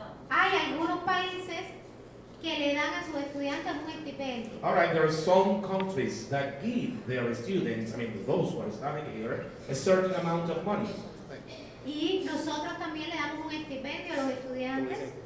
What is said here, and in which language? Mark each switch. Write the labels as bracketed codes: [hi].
[es] Hay algunos países que le dan a sus estudiantes un estipendio. [en] All right, there are some countries that give their students, I mean those who are studying here, a certain amount of money. [es] Y nosotros también le damos un estipendio a los estudiantes.